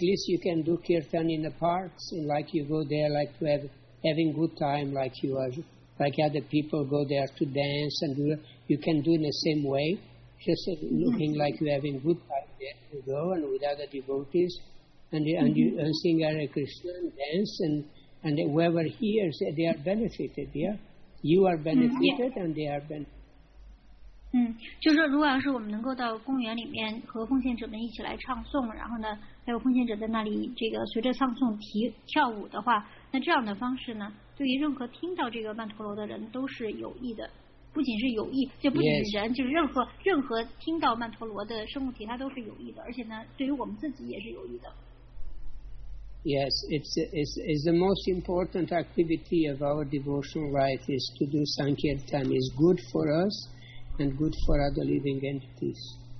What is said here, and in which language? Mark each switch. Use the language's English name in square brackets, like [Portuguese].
[English] least you can do kirtan in the parks, and like you go there like to have having good time, like you are, like other people go there to dance, and you can do in the same way, just looking like you're having good time there to go, and with other devotees, and you and sing Hare Krishna, and dance, and whoever hears, they are benefited, you are benefited, and they are benefited. [Chinese] 就是如果要是我们能够到公园里面和奉献者们一起来唱诵，然后呢还有奉献者在那里这个随着唱诵跳舞的话，那这样的方式呢对于任何听到这个曼陀罗的人都是有益的，不仅是有益，就不仅是人，就是任何听到曼陀罗的生物体它都是有益的，而且呢对于我们自己也是有益的。 [English] Yes, it's the most important activity of our devotional life is to do Sankirtan. It's good for usand good for other living entities.